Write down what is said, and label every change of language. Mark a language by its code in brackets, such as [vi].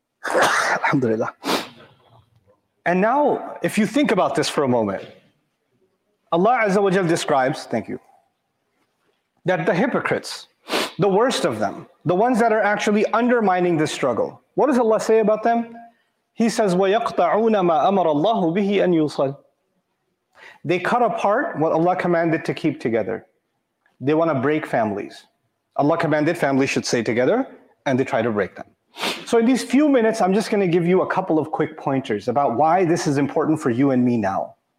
[en] Alhamdulillah. And now, if you think about this for a moment, Allah Azza wa Jalla describes, thank you, that the hypocrites, the worst of them, the ones that are actually undermining this struggle, what does Allah say about them? He says, [ar] وَيَقْطَعُونَ مَا أَمَرَ اللَّهُ بِهِ أَنْ يُصَلْ. [en] They cut apart what Allah commanded to keep together. They want to break families. Allah commanded families should stay together, and they try to break them. So in these few minutes, I'm just going to give you a couple of quick pointers about why this is important for you and me now.